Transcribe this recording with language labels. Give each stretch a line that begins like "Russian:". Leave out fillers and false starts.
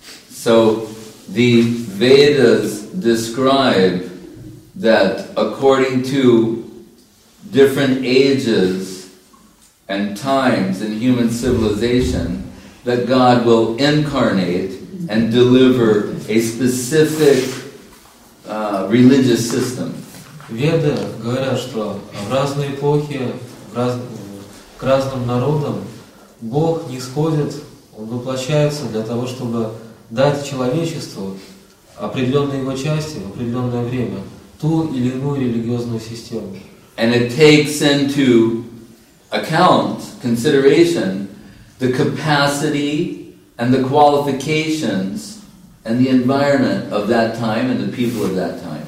English: So the Vedas describe that according to different ages and times in human civilization, that God will incarnate and deliver a specific religious system.
Russian: Веды говорят, что в разные эпохи, к разным народам Бог нисходит, Он воплощается для того, чтобы дать человечеству определенные его части в определенное время ту или иную религиозную систему.
English: And it takes into account, consideration, the capacity and the qualifications and the environment of that time and the people of that time.